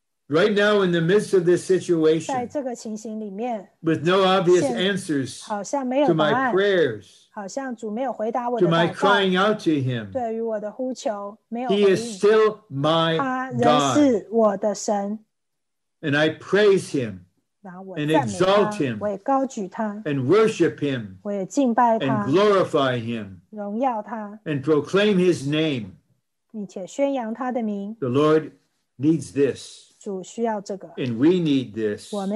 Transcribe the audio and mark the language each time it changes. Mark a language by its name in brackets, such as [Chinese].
[English] Right now, in the midst of this situation, [Chinese] 在这个情形里面, [English] with no obvious answers [Chinese] 好像没有答案, [English] to my prayers, [Chinese] 好像主没有回答我的祷告, [English] to my crying out to him, [Chinese] 对于我的呼求, 没有回应, [English] he is still my God. And I praise him and exalt him and worship him and glorify him and proclaim his name. The Lord needs this and we need this.